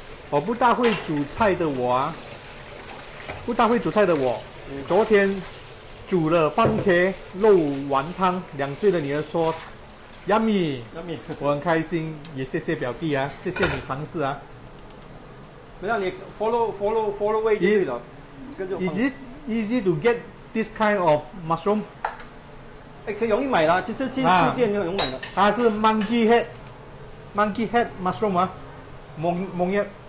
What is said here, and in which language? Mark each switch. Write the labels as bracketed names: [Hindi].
[Chinese] 我不大会煮菜的我啊，不大会煮菜的我，昨天煮了番茄肉丸汤，两岁的女儿说 ， yummy，yummy，我很开心，也谢谢表弟啊，谢谢你尝试啊。没有，你 follow 位置了，跟着。 [English] Is it easy to get this kind of mushroom？ [Chinese] 哎，可以容易买了，就是进书店就容易买了。它是 monkey head mushroom 啊，蒙叶。